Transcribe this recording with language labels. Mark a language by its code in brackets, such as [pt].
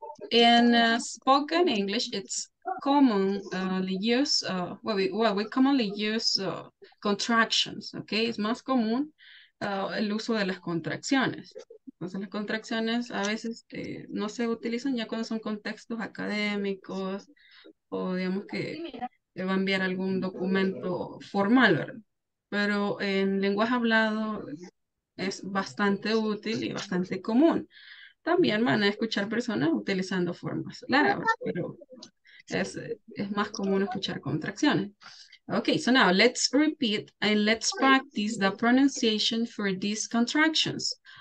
[en] In spoken English, it's commonly use we commonly use contractions. [es] Okay, it's más común el uso de las contracciones. Entonces las contracciones a veces no se utilizan ya cuando son contextos académicos o digamos que te va a enviar algún documento formal, ¿verdad? Pero en lenguaje hablado es bastante útil y bastante común. También van a escuchar personas utilizando formas largas, pero es más común escuchar contracciones. [en] Okay, so now let's repeat and let's practice the pronunciation for these contractions.